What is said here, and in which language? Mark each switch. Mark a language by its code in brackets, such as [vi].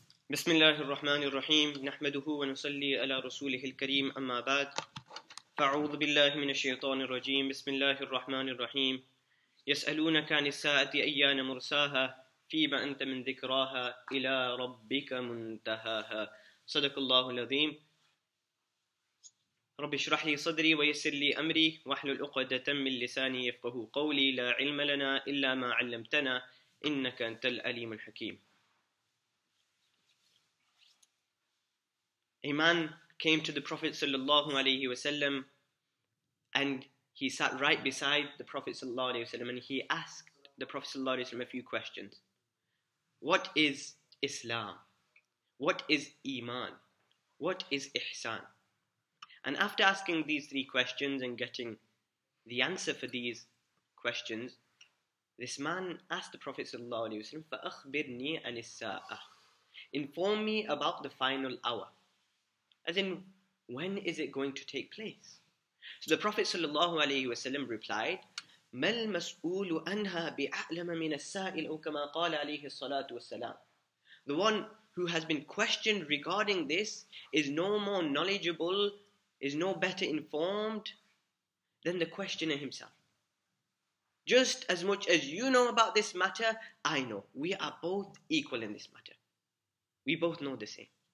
[ar] بسم الله الرحمن الرحيم نحمده ونصلي على رسوله الكريم أما بعد فأعوذ بالله من الشيطان الرجيم بسم الله الرحمن الرحيم يسألونك عن الساعة أيان مرساها فيما أنت من ذكراها إلى ربك منتهاها صدق الله العظيم رب اشرح لي صدري ويسر لي أمري واحلل عقدة من لساني يفقه قولي لا علم لنا إلا ما علمتنا إنك أنت العليم الحكيم. [en] A man came to the Prophet sallallahu alaihi wasallam, and he sat right beside the Prophet sallallahu alaihi wasallam, and he asked the Prophet sallallahu alaihi wasallam a few questions. What is Islam? What is Iman? What is Ihsan? And after asking these three questions and getting the answer for these questions, this man asked the Prophet sallallahu alaihi wasallam, [ar] فَأَخْبِرْنِي عَنِ السَّاعَةِ, [en] inform me about the final hour. As in, when is it going to take place? So the Prophet ﷺ replied, [ar] مَا الْمَسْؤُولُ أَنْهَا بِأَعْلَمَ مِنَ السَّائِلُ كَمَا قَالَ عَلَيْهِ الصَّلَاةُ وَالسَّلَامُ. [en] The one who has been questioned regarding this is no more knowledgeable, is no better informed than the questioner himself. Just as much as you know about this matter, I know. We are both equal in this matter. We both know the same.